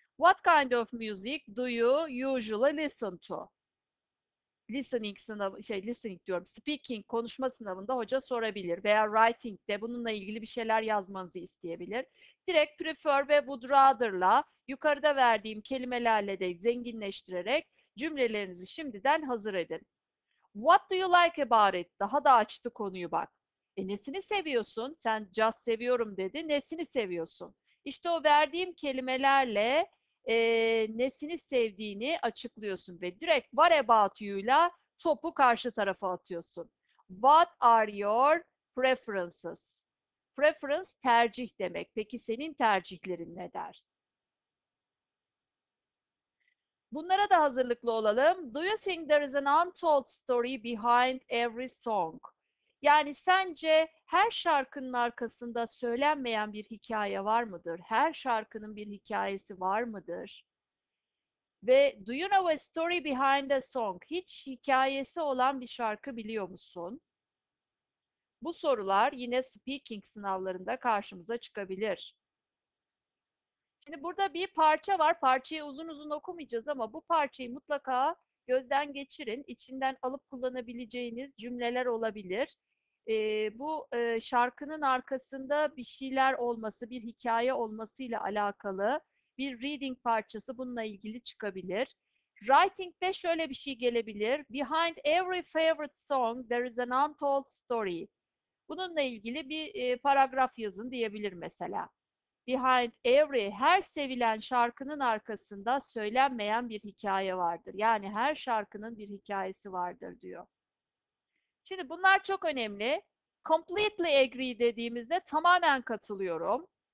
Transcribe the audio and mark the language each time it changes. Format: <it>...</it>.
<en>What kind of music do you usually listen to?</en> <tr>Listening diyorum. Speaking, konuşma sınavında hoca sorabilir veya writing'de bununla ilgili bir şeyler yazmanızı isteyebilir. Direkt prefer ve would rather'la yukarıda verdiğim kelimelerle de zenginleştirerek cümlelerinizi şimdiden hazır edin.</tr> <en>What do you like about it?</en> <tr>Daha da açtı konuyu bak. Nesini seviyorsun? Sen caz seviyorum dedi. Nesini seviyorsun? İşte o verdiğim kelimelerle nesini sevdiğini açıklıyorsun ve direkt</tr> <en>what about you'yla</en> <tr>topu karşı tarafa atıyorsun.</tr> <en>What are your preferences? Preference</en> <tr>tercih demek. Peki senin tercihlerin ne der? Bunlara da hazırlıklı olalım.</tr> <en>Do you think there is an untold story behind every song?</en> <tr>Yani sence her şarkının arkasında söylenmeyen bir hikaye var mıdır? Her şarkının bir hikayesi var mıdır?</tr> <en>Ve do you know a story behind a song?</en> <tr>Hiç hikayesi olan bir şarkı biliyor musun? Bu sorular yine speaking sınavlarında karşımıza çıkabilir. Şimdi burada bir parça var. Parçayı uzun uzun okumayacağız ama bu parçayı mutlaka gözden geçirin. İçinden alıp kullanabileceğiniz cümleler olabilir. Bu şarkının arkasında bir şeyler olması, bir hikaye olmasıyla alakalı bir reading parçası bununla ilgili çıkabilir. Writing'de şöyle bir şey gelebilir.</tr> <en>Behind every favorite song there is an untold story.</en> <tr>Bununla ilgili bir paragraf yazın diyebilir mesela.</tr> <en>Behind every,</en> <tr>her sevilen şarkının arkasında söylenmeyen bir hikaye vardır. Yani her şarkının bir hikayesi vardır diyor. Şimdi bunlar çok önemli.</tr> <en>Completely agree</en> <tr>dediğimizde tamamen katılıyorum.</tr>